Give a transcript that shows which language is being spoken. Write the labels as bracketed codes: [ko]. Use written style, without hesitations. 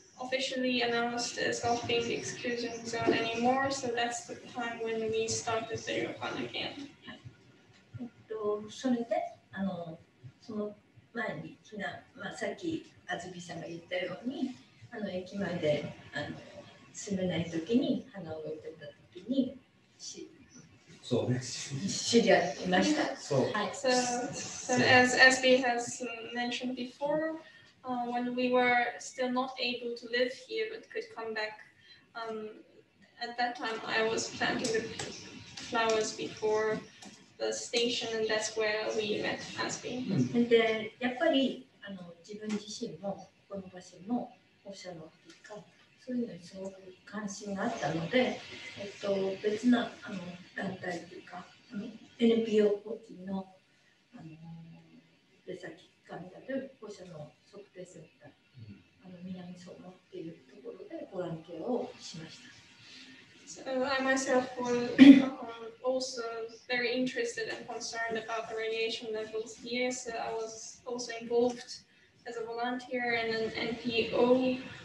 [en] Officially announced as not being the exclusion zone anymore, so that's the time when we started the ryokan again. [ja] それで、その前に避難、さっき安住さんが言ったように、駅前で住めない時に花を植えてた時に [en] So, as B has mentioned before, when we were still not able to live here but could come back, at that time I was planting the flowers before the station, and that's where we met as B. And then, [ja] やっぱりあの自分自身もこの場所のオシャの結果そういうのにすごく関心があったので、別なあの団体というか、NPO 法人の、出先機関であるこちらの測定センター、Minamisomaっていうところでボランティアをしました。 [en] So, I myself was also very interested and concerned about the radiation levels here, so I was also involved as a volunteer in an NPO.